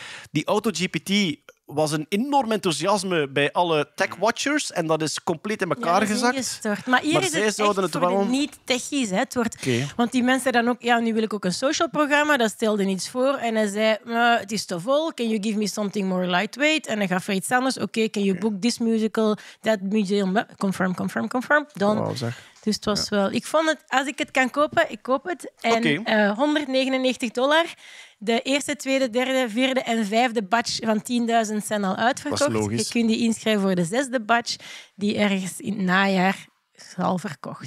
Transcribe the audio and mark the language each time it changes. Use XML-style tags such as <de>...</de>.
<nl>Die AutoGPT was een enorm enthousiasme bij alle tech-watchers en dat is compleet in elkaar gezakt. Ingestort. Maar hier maar is het echt voor wel... de niet-techies. Het wordt... Want die mensen dan ook... Ja, nu wil ik ook een social programma, dat stelde iets voor. En hij zei, het is te vol,</nl> <en>can you give me something more lightweight?</en> <nl>En hij gaf er iets anders.</nl> <en>Oké, can you book this musical, that museum? Confirm. Done.</en> <nl>Wow, zeg. Dus het was wel... Ik vond het, als ik het kan kopen, ik koop het. En $199. De eerste, tweede, derde, vierde en vijfde batch van 10.000 zijn al uitverkocht. Dat is logisch. Je kunt die inschrijven voor de zesde batch, die ergens in het najaar zal verkocht.</nl>